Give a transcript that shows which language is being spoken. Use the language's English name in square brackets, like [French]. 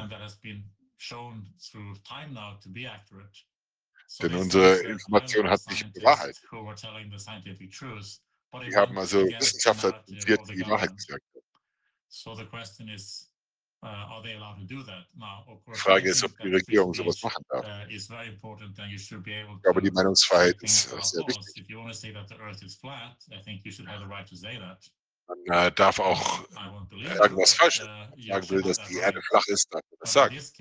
[English] And that has been shown through time now to be accurate. [German] Denn unsere Information hat sich bewahrheitet. Wir haben also Wissenschaftler, die Wahrheit gesagt haben. [English] So the question is, Are they allowed to do that? Now, of course, [German] die Frage ist, ob die Regierung sowas machen darf. [English] Is very important, and you should be able to, [German] ich glaube, die Meinungsfreiheit ist sehr wichtig. [English] If you want to say that the earth is flat, I think you should have the right to say that. [German] Man darf auch sagen, was falsch ist. Sagen will, dass die Erde flach ist, darf man das sagen.